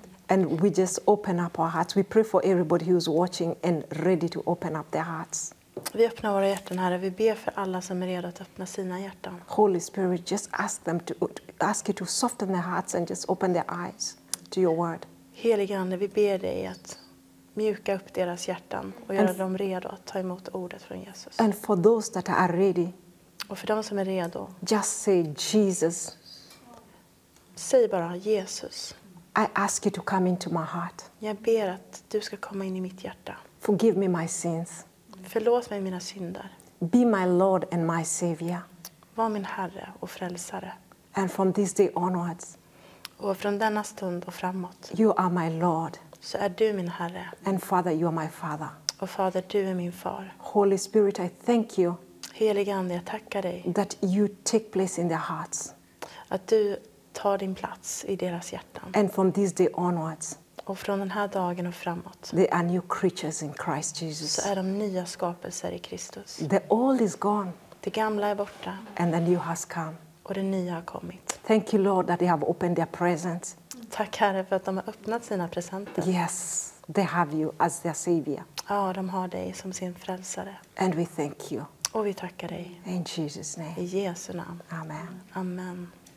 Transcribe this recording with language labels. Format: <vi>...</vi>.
<en>And we just open up our hearts. We pray for everybody who's watching and ready to open up their hearts.</en> <sv>Vi öppnar våra hjärtan, Herre. Vi ber för alla som är redo att öppna sina hjärtan.</sv> <en>Holy Spirit, just ask them to ask you to soften their hearts and just open their eyes to your word.</en> <sv>Helige Ande, vi ber dig att mjuka upp deras hjärtan och göra dem redo att ta emot ordet från Jesus.</sv> <en>And for those that are ready.</en> <sv>Och för dem som är redo.</sv> <en>Just say Jesus.</en> <sv>Säg bara Jesus.</sv> <en>I ask you to come into my heart.</en> <sv>Jag ber att du ska komma in i mitt hjärta.</sv> <en>Forgive me my sins.</en> <sv>Förlåt mig mina synder.</sv> <en>Be my Lord and my Savior.</en> <sv>Var min Herre och frälsare.</sv> <en>And from this day onwards.</en> <sv>Och från denna stund och framåt.</sv> <en>You are my Lord.</en> <sv>Så är du min Herre.</sv> <en>And Father, you are my Father.</en> <sv>Och Fader, du är min far.</sv> <en>Holy Spirit, I thank you.</en> <sv>Helige Ande, jag tackar dig.</sv> <en>That you take place in their hearts.</en> <sv>Att du tar din plats i deras hjärtan.</sv> <en>And from this day onwards.</en> <sv>Och från den här dagen och framåt.</sv> <en>They are new creatures in Christ Jesus.</en> <sv>Så är de nya skapelser i Kristus.</sv> <en>The old is gone.</en> <sv>Det gamla är borta.</sv> <en>And the new has come.</en> <sv>Och det nya har kommit.</sv> <en>Thank you, Lord, that they have opened their presence.</en> <sv>Tack Herre för att de har öppnat sina presenter.</sv> <en>Yes, they have you as their savior.</en> <sv>Ja, de har dig som sin frälsare.</sv> <en>And we thank you.</en> <sv>Och vi tackar dig.</sv> <en>In Jesus name.</en> <sv>I Jesu namn.</sv> <en>Amen.</en> <sv>Amen.</sv>